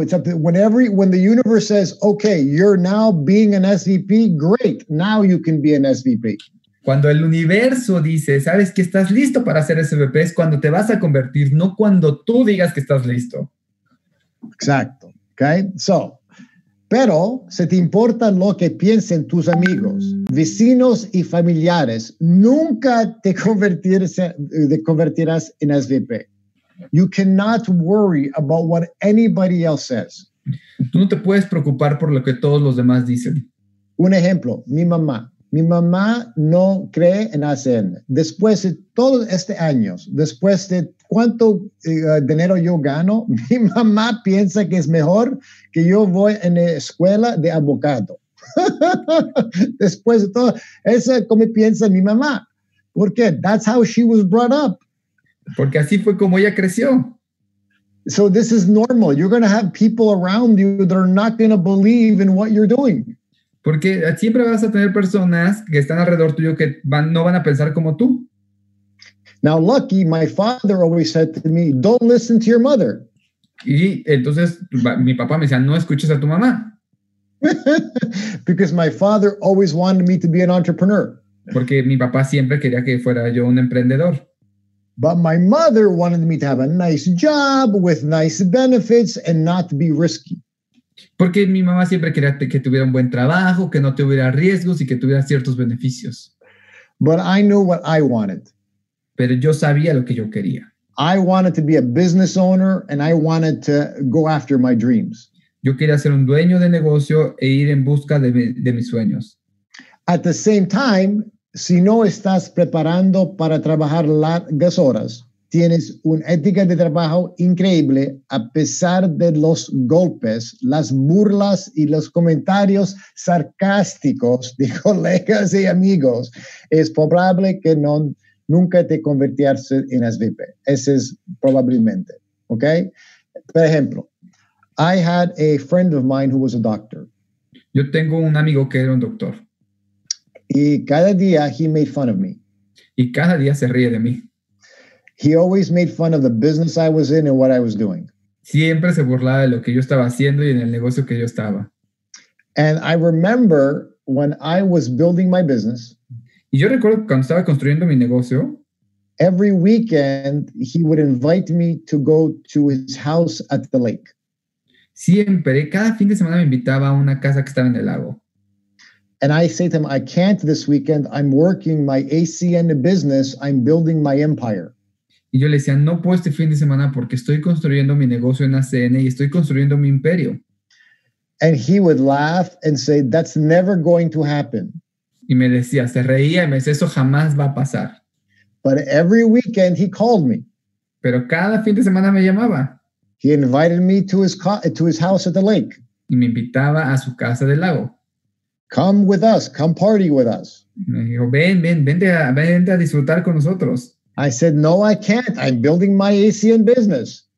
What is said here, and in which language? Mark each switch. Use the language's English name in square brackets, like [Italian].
[English] It's up to when the universe says, "Okay, you're now being an SVP. Great, now you can be an SVP." [Spanish] Cuando el universo dice, sabes que estás listo para ser SVP, es cuando te vas a convertir, no cuando tú digas que estás listo. Exacto. Okay. So, pero si te importa lo que piensen tus amigos, vecinos y familiares, nunca te convertirás en SVP. [English] You cannot worry about what anybody else says. [Spanish] Tú no te puedes preocupar por lo que todos los demás dicen. Un ejemplo, mi mamá. Mi mamá no cree en ACN. Después de todos estos años, después de cuánto dinero yo gano, mi mamá piensa que es mejor que yo voy en la escuela de abogado. Después de todo, eso es como piensa mi mamá. ¿Por qué? [English] That's how she was brought up. [Spanish] Porque así fue como ella creció. [English] So this is normal. You're going to have people around you that are not going to believe in what you're doing. [Spanish] Porque siempre vas a tener personas que están alrededor tuyo que no van a pensar como tú. [English] Now, lucky, my father always said to me, don't listen to your mother. [Spanish] Y entonces mi papá me decía, no escuches a tu mamá. [English] Because my father always wanted me to be an entrepreneur. [Spanish] Porque mi papá siempre quería que fuera yo un emprendedor. [English] But my mother wanted me to have a nice job with nice benefits and not be risky. [Spanish] Porque mi mamá siempre quería que tuviera un buen trabajo, que no tuviera riesgos y que tuviera ciertos beneficios. [English] But I knew what I wanted. [Spanish] Pero yo sabía lo que yo quería. [English] I wanted to be a business owner and I wanted to go after my dreams. [Spanish] Yo quería ser un dueño de negocio e ir en busca de mis sueños. [English] At the same time, [Spanish] si no estás preparando para trabajar largas horas, tienes una ética de trabajo increíble a pesar de los golpes, las burlas y los comentarios sarcásticos de colegas y amigos, es probable que nunca te convertirás en SVP. Ese es probablemente. [English] Okay? [Spanish] Por ejemplo, [English] I had a friend of mine who was a doctor. [Spanish] Yo tengo un amigo que era un doctor. Y cada día [English] he made fun of me. [Spanish] Y cada día se ríe de mí. [English] He always made fun of the business I was in and what I was doing. [Spanish] Siempre se burlaba de lo que yo estaba haciendo y en el negocio que yo estaba. [English] And I remember when I was building my business. [Spanish] Y yo recuerdo cuando estaba construyendo mi negocio. [English] Every weekend he would invite me to go to his house at the lake. [Spanish] Siempre, cada fin de semana me invitaba a una casa que estaba en el lago. [English] And I say to him, I can't this weekend. I'm working my ACN business. I'm building my empire. [Spanish] Y yo le decía, no puedo este fin de semana porque estoy construyendo mi negocio en ACN y estoy construyendo mi imperio. [English] And he would laugh and say, that's never going to happen. [Spanish] Y me decía, se reía y me decía, eso jamás va a pasar. [English] But every weekend he called me. [Spanish] Pero cada fin de semana me llamaba. [English] He invited me to his house at the lake. [Spanish] Y me invitaba a su casa del lago. [English] Come with us. Come party with us. [Spanish] Me dijo, vente a disfrutar con nosotros. [English] I said, no, I can't. I'm building my ACN business.